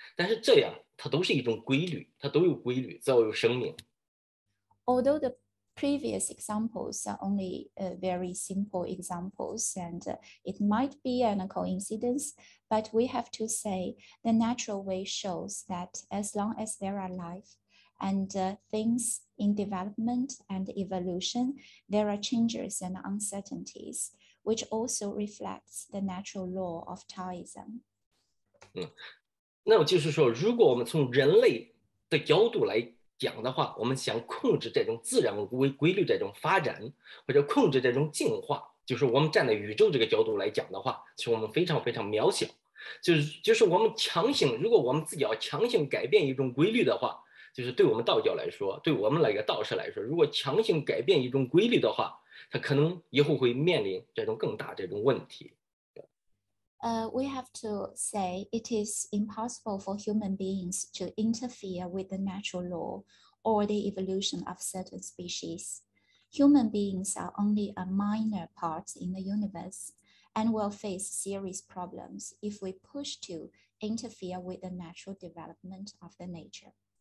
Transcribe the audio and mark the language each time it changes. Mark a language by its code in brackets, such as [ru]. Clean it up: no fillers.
[zh] 但是这样，它都是一种规律，它都有规律，只要有生命。 [en] Although the previous examples are only very simple examples, and it might be a coincidence, but we have to say the natural way shows that as long as there are life and things in development and evolution, there are changes and uncertainties, which also reflects the natural law of Taoism. [zh] 那就是说，如果我们从人类的角度来讲的话，我们想控制这种自然规律这种发展，或者控制这种进化，就是我们站在宇宙这个角度来讲的话，其实我们非常非常渺小。就是我们强行，如果我们自己要强行改变一种规律的话，就是对我们道教来说，对我们那个道士来说，如果强行改变一种规律的话，它可能以后会面临这种更大这种问题。 [en] We have to say it is impossible for human beings to interfere with the natural law or the evolution of certain species. Human beings are only a minor part in the universe and will face serious problems if we push to interfere with the natural development of the nature.